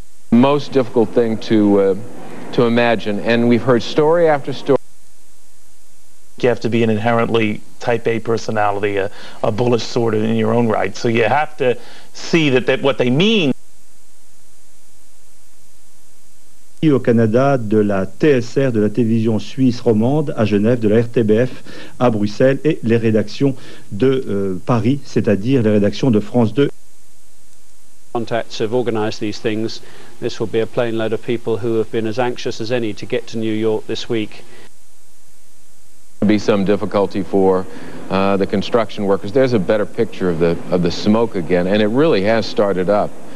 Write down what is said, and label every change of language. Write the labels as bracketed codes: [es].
[en] Most difficult thing to imagine, and we've heard story after story. You have to be an inherently type A personality, a bullish sort in your own right, so you have to see that what they mean. [fr] Au Canada, de la TSR, de la télévision suisse romande, à Genève, de la RTBF, à Bruxelles, et les rédactions de Paris, c'est-à-dire les rédactions de France 2. [en] Contacts have organized these things. This will be a plane load of people who have been as anxious as any to get to New York this week. Be some difficulty for the construction workers. There's a better picture of the smoke again, and it really has started up.